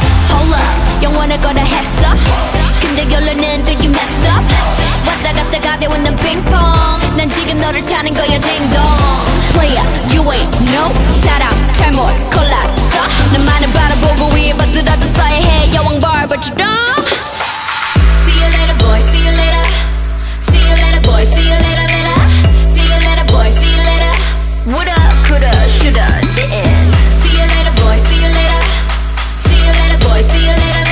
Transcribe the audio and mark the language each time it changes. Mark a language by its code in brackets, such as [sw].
[en] Hold up, [ko] 영원할 거라 했어. 근데 결론은 [en] do you messed up. [ko] 왔다 갔다 가벼운 난 빙퐁. 난 지금 너를 찾는 거야 딩동. [en] Player, you ain't no [ko] 사람 잘못 골랐어. 너만을 바라보고 위에 받들어졌어야 해. 여왕 바보처럼. [en] See you later boy, see you later. See you later boy, see you later later. See you later boy, see you later. What up, coulda, shoulda, didn't. See you later boy, see you later. See you later boy, see you later.